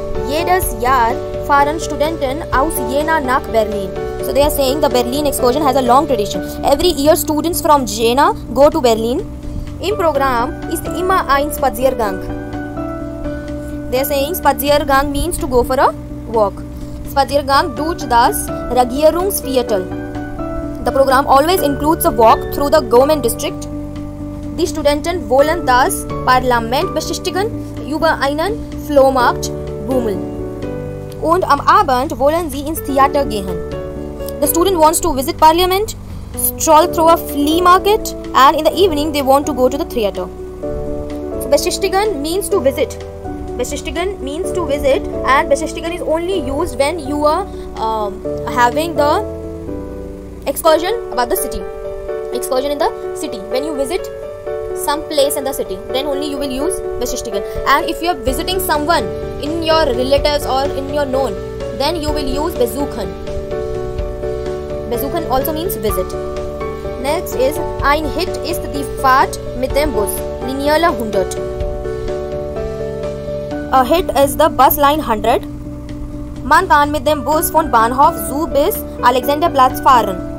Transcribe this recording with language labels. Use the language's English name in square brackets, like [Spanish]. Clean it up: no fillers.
[German] Jedes Jahr fahren Studenten aus Jena nach Berlin. [English] So they are saying the Berlin Excursion has a long tradition. Every year students from Jena go to Berlin. [German] Im Programm ist immer ein Spaziergang. [English] They are saying Spaziergang means to go for a walk. [German] Spaziergang durch das Regierungsviertel. [English] The program always includes a walk through the government district. [German] Die Studenten wollen das Parlament besichtigen über einen Flohmarkt boomeln. Und am Abend wollen sie ins Theater gehen. [English] The student wants to visit Parliament, stroll through a flea market, and in the evening they want to go to the theater. So besichtigen means to visit. Besichtigen means to visit, and besichtigen is only used when you are having the excursion about the city. Excursion in the city. When you visit some place in the city, then only you will use besichtigen. And if you are visiting someone in your relatives or in your known, then you will use besuchen. Besuchen also means visit. Next is [German] ein Hit ist die Fahrt mit dem Bus Linie 100. [English] A hit is the bus line 100. [German] Man kann mit dem Bus von Bahnhof Zoo bis Alexanderplatz fahren.